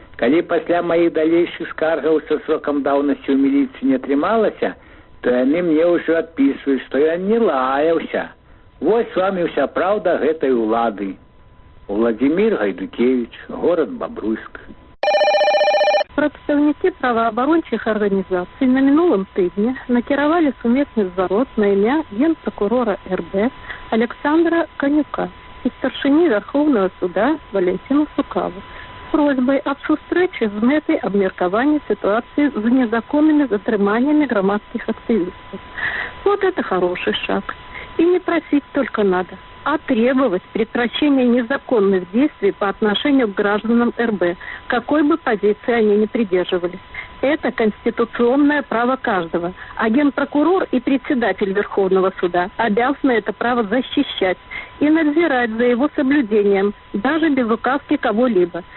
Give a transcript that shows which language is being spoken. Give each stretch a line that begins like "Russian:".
Belarusian: Калі пасля моих далейших скаргаў
Russian: со сроком давности у милиции
Belarusian: не атрымалася, то яны мне
Russian: уже отписывают, что
Belarusian: я не лаялся. Вось вам и вся правда гэтай улады. Владимир Гайдукевич, город Бобруйск. Прадстаўнікі праваабарончых арганізацый на мінулым тыдні накіравалі сумесны зварот на імя генпракурора РБ Александра Канюка і старшыні Верховнага суда Валентіну Сукаву з просьбай аб сустрэчы з мэтай абмеркавання сітуацыі з незаконнымі затрыманнямі грамадскіх актывістаў.
Russian: Вот это хороший шаг. И не просить только надо, а требовать прекращения незаконных действий по отношению к гражданам РБ, какой бы позиции они ни придерживались. Это конституционное право каждого, а генпрокурор и председатель Верховного суда обязаны это право защищать и надзирать за его соблюдением, даже без указки кого-либо.